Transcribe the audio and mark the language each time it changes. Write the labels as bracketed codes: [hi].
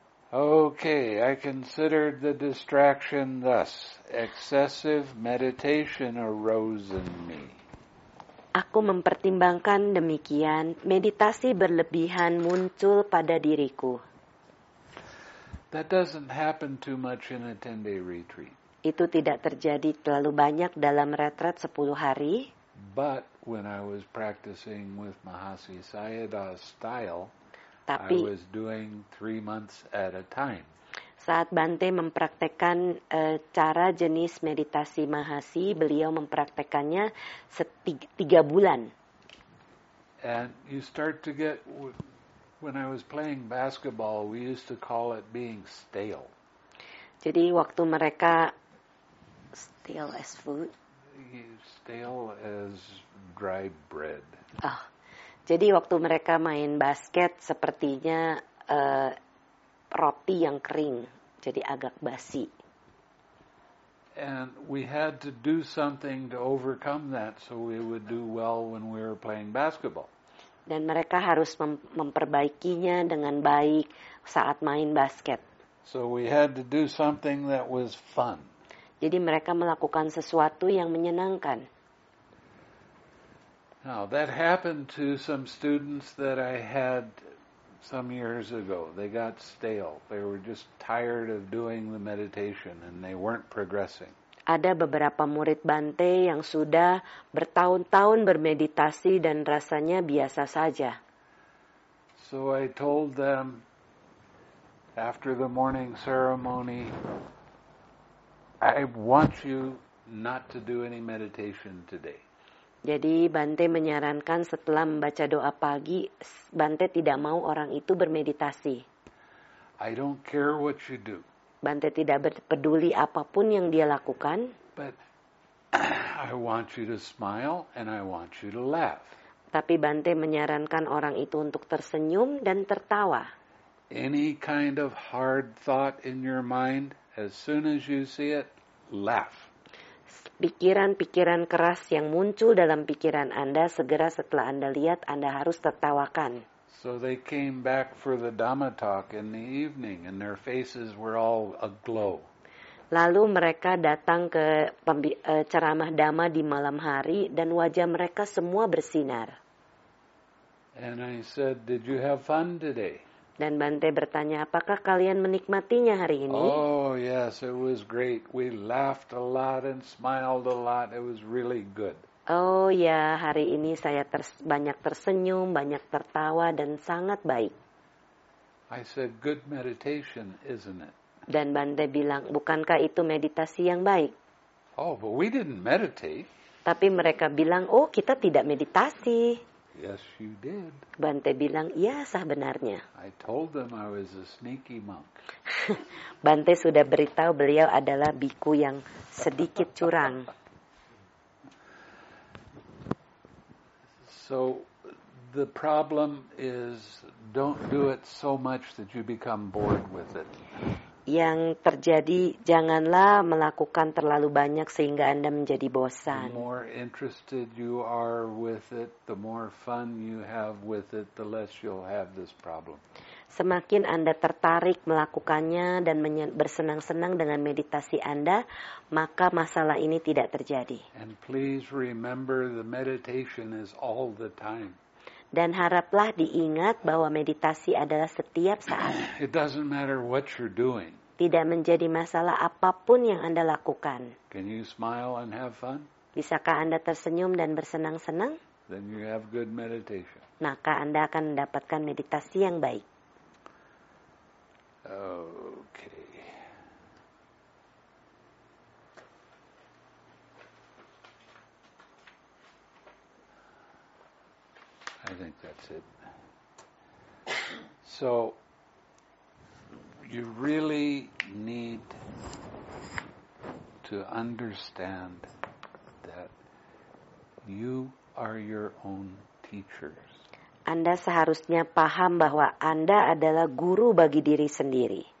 [en] Okay, I considered the distraction thus. Excessive meditation arose in me. [id] Aku mempertimbangkan demikian, meditasi berlebihan muncul pada diriku. [en] That doesn't happen too much in a 10-day retreat. [id] Itu tidak terjadi terlalu banyak dalam retret 10 hari. [en] But when I was practicing with Mahasi Sayadaw's style, [id] tapi, [en] I was doing 3 months at a time. [id] Saat Bante mempraktekkan cara jenis meditasi Mahasi, beliau mempraktekkannya 3 bulan. [en] And you start to get, when I was playing basketball, we used to call it being stale. [id] Jadi waktu mereka [en] stale as food. Stale as dry bread. [id] Oh. Jadi waktu mereka main basket, sepertinya roti yang kering. Jadi agak basi. [en] And we had to do something to overcome that so we would do well when we were playing basketball. [id] Dan mereka harus memperbaikinya dengan baik saat main basket. [en] So we had to do something that was fun. [id] Jadi mereka melakukan sesuatu yang menyenangkan. [en] Now that happened to some students that I had some years ago. They got stale. They were just tired of doing the meditation and they weren't progressing. [id] Ada beberapa murid Bante yang sudah bertahun-tahun bermeditasi dan rasanya biasa saja. [en] So I told them after the morning ceremony, I want you not to do any meditation today. [id] Jadi Bante menyarankan setelah membaca doa pagi, Bante tidak mau orang itu bermeditasi. [en] I don't care what you do. [id] Bante tidak peduli apapun yang dia lakukan. [en] But I want you to smile and I want you to laugh. [id] Tapi Bante menyarankan orang itu untuk tersenyum dan tertawa. [en] Any kind of hard thought in your mind, as soon as you see it, laugh. [id] Pikiran-pikiran keras yang muncul dalam pikiran Anda, segera setelah Anda lihat, Anda harus tertawakan. [en] So they came back for the Dhamma talk in the evening and their faces were all aglow. [id] Lalu mereka datang ke ceramah Dhamma di malam hari dan wajah mereka semua bersinar. [en] And I said, did you have fun today? [id] Dan Bante bertanya, apakah kalian menikmatinya hari ini? [en] Oh, yes, it was great. We laughed a lot and smiled a lot. It was really good. [id] Oh, ya, hari ini saya banyak tersenyum, banyak tertawa, dan sangat baik. [en] I said, good meditation, isn't it? [id] Dan Bante bilang, bukankah itu meditasi yang baik? [en] Oh, but we didn't meditate. [id] Tapi mereka bilang, oh, kita tidak meditasi. [en] Yes, you did. [id] Bante bilang, iya, sah benarnya. [en] I told them I was a sneaky monk. [id] Bante sudah beritahu beliau adalah biku yang sedikit curang. [en] So, the problem is, don't do it so much that you become bored with it. [id] Yang terjadi, janganlah melakukan terlalu banyak sehingga Anda menjadi bosan. [en] The more interested you are with it, the more fun you have with it, the less you'll have this problem. [id] Semakin Anda tertarik melakukannya dan bersenang-senang dengan meditasi Anda, maka masalah ini tidak terjadi. [en] And please remember, the meditation is all the time. [id] Dan haraplah diingat bahwa meditasi adalah setiap saat. [en] It doesn't matter what you're doing. [id] tidak menjadi masalah apapun yang Anda lakukan. [en] Can you smile and have fun? [id] Bisakah Anda tersenyum dan bersenang-senang? [en] Then you have good meditation. [id] Maka Anda akan mendapatkan meditasi yang baik. [en] Okay. I think that's it. So, you really need to understand that you are your own teacher. [id] Anda seharusnya paham bahwa Anda adalah guru bagi diri sendiri.